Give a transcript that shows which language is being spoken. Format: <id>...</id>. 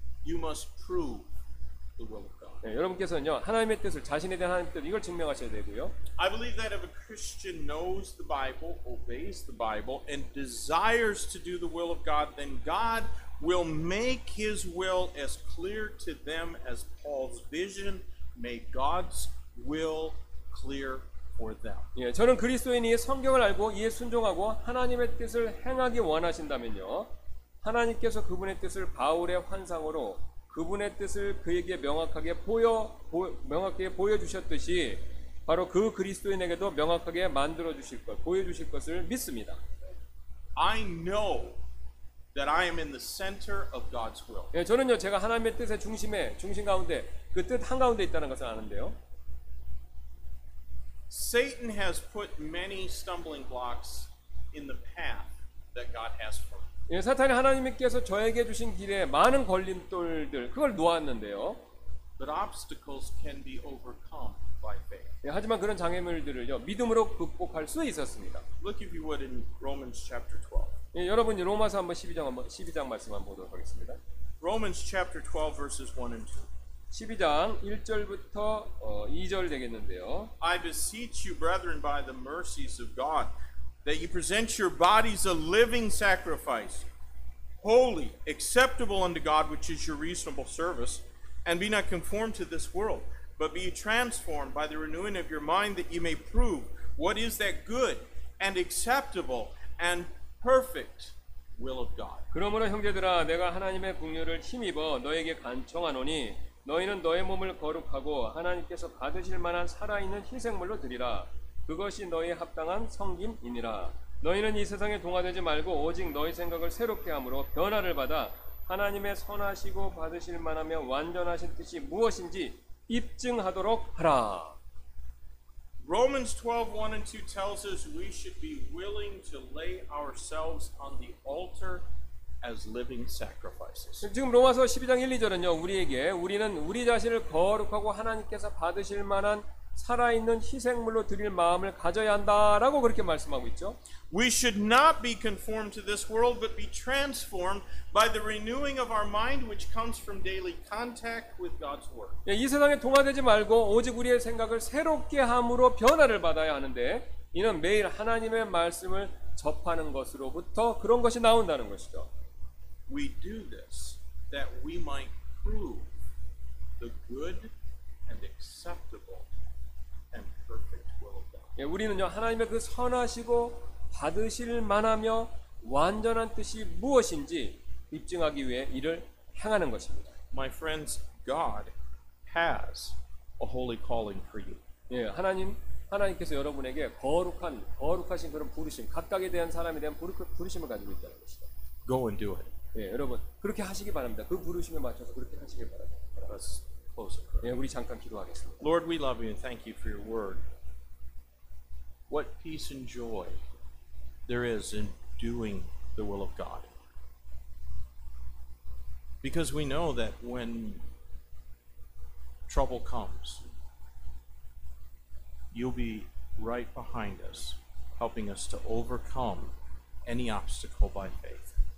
<en>You must prove the will of God.</en> <ko>예, 여러분께서는요 하나님의 뜻을 자신에 대한 하나님의 뜻 이걸 증명하셔야 되고요.</ko> <en>I believe that if a Christian knows the Bible, obeys the Bible, and desires to do the will of God, then God will make His will as clear to them as Paul's vision made God's will clear for them.</en> <ko>예, 저는 그리스도인이 성경을 알고 이에 순종하고 하나님의 뜻을 행하기 원하신다면요, 하나님께서 그분의 뜻을 바울의 환상으로 그분의 뜻을 그에게 명확하게 명확하게 보여주셨듯이 바로 그 그리스도인에게도 명확하게 만들어 주실 것, 보여주실 것을 믿습니다.</ko> <en>I know that I am in the center of God's will.</en> <ko>예, 저는요 제가 하나님의 뜻의 중심에 중심 가운데 그 뜻 한 가운데 있다는 것을 아는데요.</ko> <en>Satan has put many stumbling blocks in the path that God has for me.</en> <ko>예, 사탄이 하나님께서 저에게 주신 길에 많은 걸림돌들 그걸 놓았는데요.</ko> <en>But obstacles can be overcome by faith.</en> <ko>예, 하지만 그런 장애물들을요 믿음으로 극복할 수 있었습니다.</ko> <en>Look if you would in Romans chapter 12.</en> <ko>예, 여러분 로마서 한번 12장 말씀 한번 보도록 하겠습니다.</ko> <en>Romans chapter 12 verses 1 and 2.</en> <ko>12장 1절부터 2절 되겠는데요.</ko> <en>I beseech you brethren by the mercies of God that you present your bodies a living sacrifice holy acceptable unto God which is your reasonable service and be not conformed to this world but be transformed by the renewing of your mind that you may prove what is that good and acceptable and perfect will of God.</en> <ko>그러므로 형제들아 내가 하나님의 긍휼을 힘입어 너에게 간청하노니 너희는 너의 몸을 거룩하고 하나님께서 받으실 만한 살아있는 희생물로 드리라 그것이 너희 합당한 성김이니라 너희는 이 세상에 동화되지 말고 오직 너희 생각을 새롭게 함으로 변화를 받아 하나님의 선하시고 받으실 만하며 완전하신 뜻이 무엇인지 입증하도록 하라.</ko> <en>Romans 12, 1 and 2 tells us we should be willing to lay ourselves on the altar as living sacrifices.</en> <ko>지금 로마서 12장 1, 2절은요, 우리에게 우리는 우리 자신을 거룩하고 하나님께서 받으실 만한 살아있는 희생물로 드릴 마음을 가져야 한다라고 그렇게 말씀하고 있죠.</ko> <en>We should not be conformed to this world but be transformed by the renewing of our mind which comes from daily contact with God's word.</en> <ko>예, 이 세상에 동화되지 말고 오직 우리의 생각을 새롭게 함으로 변화를 받아야 하는데 이는 매일 하나님의 말씀을 접하는 것으로부터 그런 것이 나온다는 것이죠.</ko> <en>We do this that we might prove the good and acceptable and perfect will of God.</en> <ko>예, 우리는요 하나님의 그 선하시고 받으실 만하며 완전한 뜻이 무엇인지 입증하기 위해 이를 행하는 것입니다.</ko> <en>My friends, God has a holy calling for you.</en> <ko>예, 하나님께서 여러분에게 거룩하신 그런 부르심, 각각에 대한 사람에 대한 부르심을 가지고 있다는 것이죠.</ko> <en>Go and do it.</en> <ko>예, 여러분 그렇게 하시기 바랍니다. 그 부르심에 맞춰서 그렇게 하시길 바랍니다.</ko> <en>Let's close our prayer.</en> <ko>예, 우리 잠깐 기도하겠습니다.</ko> <en>Lord, we love you and thank you for your word. What peace and joy there is in doing the will of God. Because we know that when trouble comes, you'll be right behind us, helping us to overcome any obstacle by faith.</en>